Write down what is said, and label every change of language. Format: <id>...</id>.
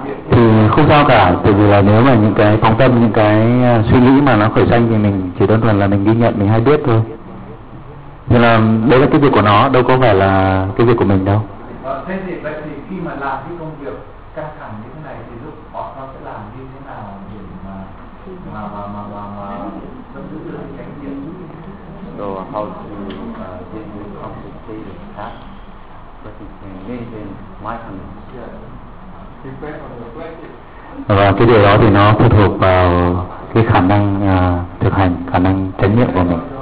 <vi>Thì không sao cả, tại vì là nếu mà những cái phóng tâm, những cái suy nghĩ mà nó khởi sanh thì mình chỉ đơn thuần là mình ghi nhận, mình hay biết thôi. Thế là đấy là cái việc của nó, đâu có phải là cái việc của mình đâu. Vậy thì khi mà làm cái công việc căng thẳng như thế này thì lúc họ sẽ làm như thế nào để mà tâm giữ được cái chánh niệm?</vi> <en>So how to deal with complicated tasks, but it can maintain mindfulness.</en> <vi>Và cái điều đó thì nó phụ thuộc vào cái khả năng thực hành, khả năng chánh niệm của mình.</vi>